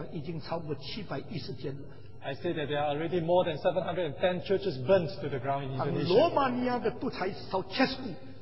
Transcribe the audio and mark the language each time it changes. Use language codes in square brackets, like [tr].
[zh] 我的今天印尼被烧毁的礼拜堂已经超过710间了。 [en] I say that there are already more than 710 churches burnt to the ground in Indonesia. [zh] 罗马尼亚的独裁烧切斯库。